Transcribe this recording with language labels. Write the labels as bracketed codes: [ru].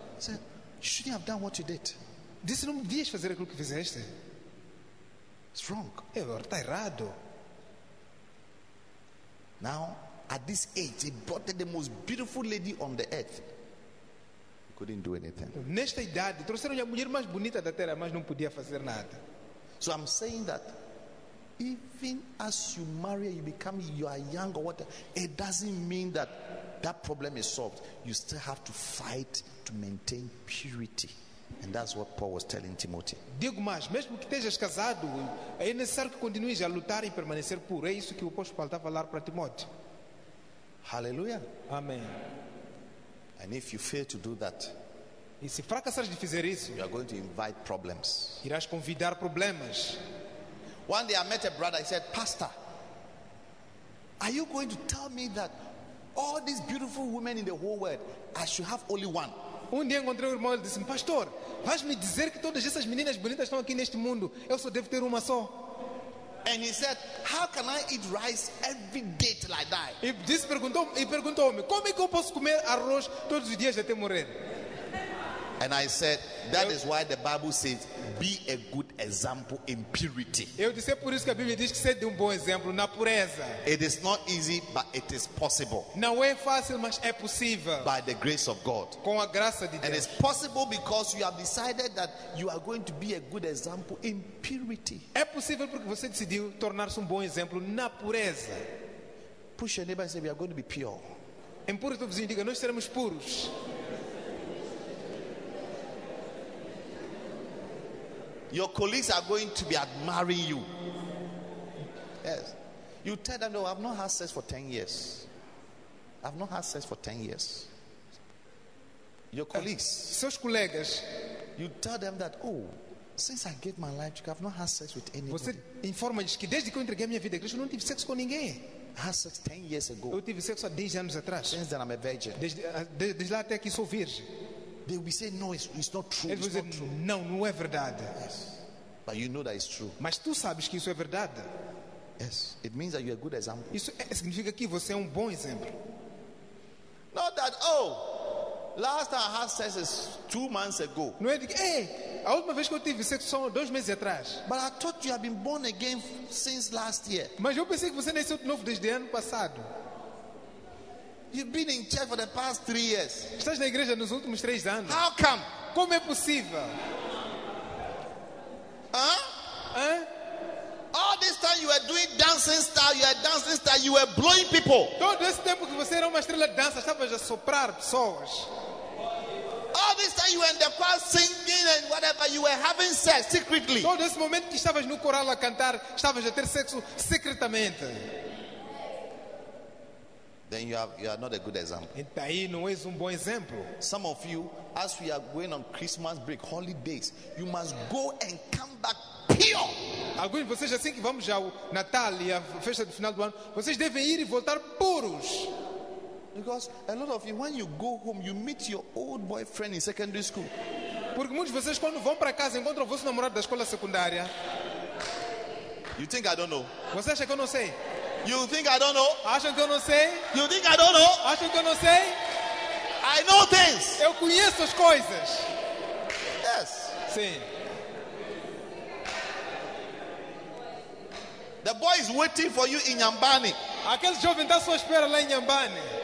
[en] He said, you shouldn't have done what you did. [pt] Disse, não devias fazer aquilo que fizeste. [en] It's wrong. [pt] É, está errado. [en] Now, at this age, he brought the most beautiful lady on the earth. He couldn't do anything. [pt] Nesta idade, trouxeram-lhe a mulher mais bonita da terra, mas não podia fazer nada. [en] So I'm saying that even as you marry, you become, you are young or whatever, it doesn't mean that that problem is solved. You still have to fight to maintain purity. And that's what Paul was telling Timothy. [pt] Digo mais, mesmo que estejas casado, é necessário que continues a lutar e permanecer puro. É isso que o apóstolo estava a falar para Timóteo. [en] Hallelujah. [pt] Amém. [en] And if you fail to do that, [pt] e se fracassares de fazer isso, [en] you are going to invite problems. [pt] Irás convidar problemas. [en] One day I met a brother. He said, "Pastor, are you going to tell me that all these beautiful women in the whole world, I should have only one?" [pt] Um dia encontrei o irmão e disse-me, pastor, vais-me dizer que todas essas meninas bonitas estão aqui neste mundo, eu só devo ter uma só? [en] And he said, how can I eat rice every day till I die? [pt] E disse, perguntou-me, como é que eu posso comer arroz todos os dias até morrer? [en] And I said, that is why the Bible says, be a good example in purity. [pt] Eu disse, é por isso que a Bíblia diz que seja um bom exemplo na pureza. [en] It is not easy, but it is possible. [pt] Não é fácil, mas é possível. [en] By the grace of God. [pt] Com a graça de Deus. [en] And it's possible because you have decided that you are going to be a good example in purity. [pt] É possível porque você decidiu tornar-se um bom exemplo na pureza. [en] Push your neighbor and say, we are going to be pure. [pt] Empurre o teu vizinho e diga, nós seremos puros. [en] Your colleagues are going to be admiring you. Yes. You tell them, no, I've not had sex for 10 years. I've not had sex for 10 years. Your colleagues. [pt] Seus colegas. [en] You tell them that, oh, since I gave my life to God, I've not had sex with anybody. [pt] Você informa-lhes que desde que eu entreguei minha vida a Cristo, eu não tive sexo com ninguém. [en] I had sex 10 years ago. [pt] Eu tive sexo há 10 anos atrás. [en] Since then I'm a virgin. [pt] Desde lá até aqui sou virgem. [en] They will say, no, it's not true. [pt] Eles dizem, não, não é verdade. [en] Yes. But you know that it's true. [pt] Mas tu sabes que isso é verdade. [en] Yes. It means that you are a good example. [pt] Isso significa que você é bom exemplo. [en] Not that, oh, last time I had sex is 2 months ago. [pt] Não é de que, hey, a última vez que eu tive sexo são 2 meses atrás. [en] But I thought you have been born again since last year. [pt] Mas eu pensei que você nasceu de novo desde ano passado. [en] You've been in church for the past 3 years. [pt] Estás na igreja nos últimos 3 anos. [en] How come? [pt] Como é possível? Huh? [en] All this time you were doing dancing style, you were dancing style, you were blowing people. [pt] Todo esse tempo que você era uma estrela de dança, estava a soprar pessoas. [en] All this time you were in the choir singing and whatever, you were having sex secretly. [pt] Todo esse momento que estavas no coral a cantar, estavas a ter sexo secretamente. [en] Then you are not a good example. [pt] Então aí não és bom exemplo. [en] Some of you, as we are going on Christmas break, holidays, you must go and come back pure. [pt] Alguns de vocês, assim que vamos já ao Natal e a festa de final do ano, vocês devem ir e voltar puros. [en] Because a lot of you, when you go home, you meet your old boyfriend in secondary school. [pt] Porque muitos de vocês, quando vão para casa, encontram o vosso namorado da escola secundária. [en] You think I don't know? [pt] Você acha que eu não sei? [en] You think I don't know? [pt] Acho que eu não sei. [en] You think I don't know? [pt] Acho que eu não sei. [en] I know things. [pt] Eu conheço as coisas. [en] Yes. [pt] Sim. [en] The boy is waiting for you in Nyambani. [pt] Aquele jovem está à sua espera lá em Nyambani.